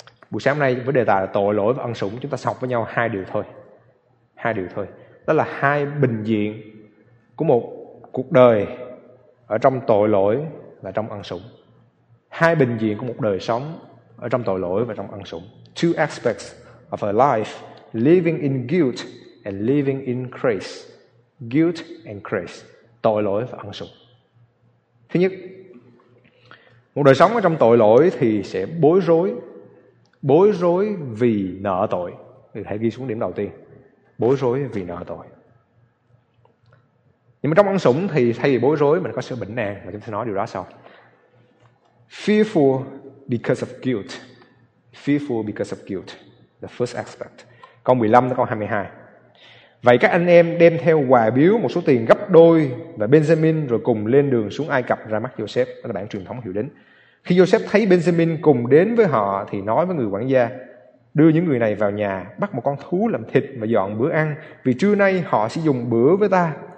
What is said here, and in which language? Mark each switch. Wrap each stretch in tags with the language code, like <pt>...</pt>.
<vi>Buổi sáng hôm nay với đề tài là tội lỗi và ân sủng, chúng ta sẽ học với nhau hai điều thôi. Hai điều thôi. Đó là hai bình diện của một cuộc đời ở trong tội lỗi và trong ân sủng. Hai bình diện của một đời sống ở trong tội lỗi và trong ân sủng.</vi> <en>Two aspects of a life, living in guilt and living in grace. Guilt and grace.</en> <vi>Tội lỗi và ân sủng. Thứ nhất, một đời sống ở trong tội lỗi thì sẽ bối rối. Bối rối vì nợ tội. Hãy ghi xuống điểm đầu tiên. Bối rối vì nợ tội. Nhưng mà trong ân sủng thì thay vì bối rối, mình có sự bình an, và chúng ta nói điều đó sau.</vi> <en>Fearful because of guilt. Fearful because of guilt. The first aspect.</en> <vi>Câu 15 đến câu 22. Vậy các anh em đem theo quà biếu một số tiền gấp đôi và Benjamin, rồi cùng lên đường xuống Ai Cập ra mắt Joseph. Đó là bản truyền thống hiểu đến. Khi Joseph thấy Benjamin cùng đến với họ thì nói với người quản gia: đưa những người này vào nhà, bắt một con thú làm thịt và dọn bữa ăn, vì trưa nay họ sẽ dùng bữa với ta.</vi>